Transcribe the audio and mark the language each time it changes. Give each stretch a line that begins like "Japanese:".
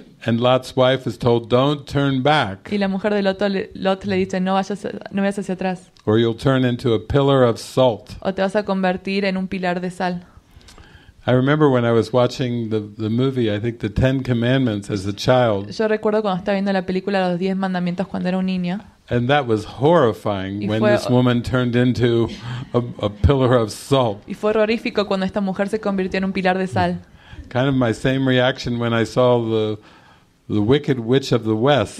English: And Lot's wife is told, "Don't turn back."
Spanish: Y la mujer de Lot le dice, no vayas hacia atrás.
English: Or you'll turn into a pillar of salt.
Spanish: O te vas a convertir en un pilar de sal.
English: I remember when I was watching the movie, I think the Ten Commandments as a child.
Spanish: Yo recuerdo cuando estaba viendo la película Los Diez Mandamientos cuando era un niño.
English: And that was horrifying when this woman turned into a pillar of salt.
Spanish: Y fue horrorífico cuando esta mujer se convirtió en un pilar de sal.
English: Kind of my same reaction when I saw the Wicked Witch of the West.